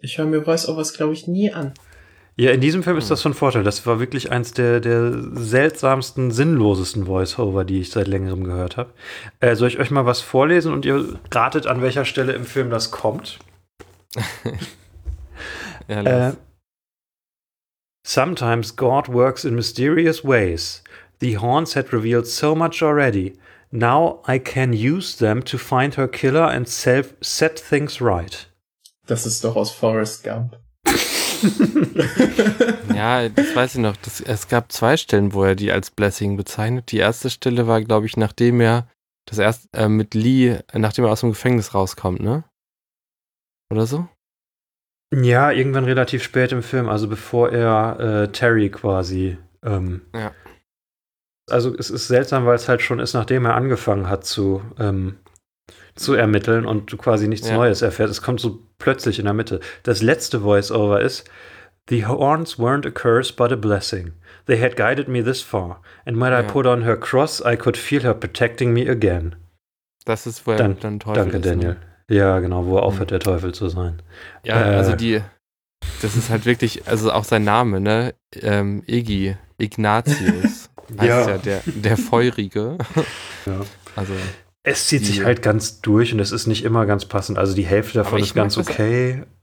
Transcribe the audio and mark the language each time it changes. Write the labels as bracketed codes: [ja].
[de] Ich höre mir Voice-Overs, glaube ich, nie an. Ja, in diesem Film ist das von Vorteil. Das war wirklich eins der seltsamsten, sinnlosesten Voice-Over, die ich seit längerem gehört habe. Soll ich euch mal was vorlesen und ihr ratet, an welcher Stelle im Film das kommt? Ja, [en] sometimes God works in mysterious ways. The horns had revealed so much already. Now I can use them to find her killer and set things right. [de] Das ist doch aus Forrest Gump. Ja, das weiß ich noch. Es gab zwei Stellen, wo er die als Blessing bezeichnet. Die erste Stelle war, glaube ich, nachdem er aus dem Gefängnis rauskommt, ne? Oder so? Ja, irgendwann relativ spät im Film, also bevor er Terry quasi. Ja. Also es ist seltsam, weil es halt schon ist, nachdem er angefangen hat zu ermitteln und du quasi nichts Neues erfährst. Es kommt so plötzlich in der Mitte. Das letzte Voice-Over ist: [en] The horns weren't a curse, but a blessing. They had guided me this far. And when I put on her cross, I could feel her protecting me again. [de] Das ist, wo er dann Teufel ist. Danke, Daniel. Ja, genau, wo er aufhört, der Teufel zu sein. Ja, also das ist halt wirklich, also auch sein Name, ne? Iggy, Ignatius. Heißt ja der Feurige. Ja. Also, es zieht sich halt ganz durch und es ist nicht immer ganz passend. Also die Hälfte davon ist ganz okay.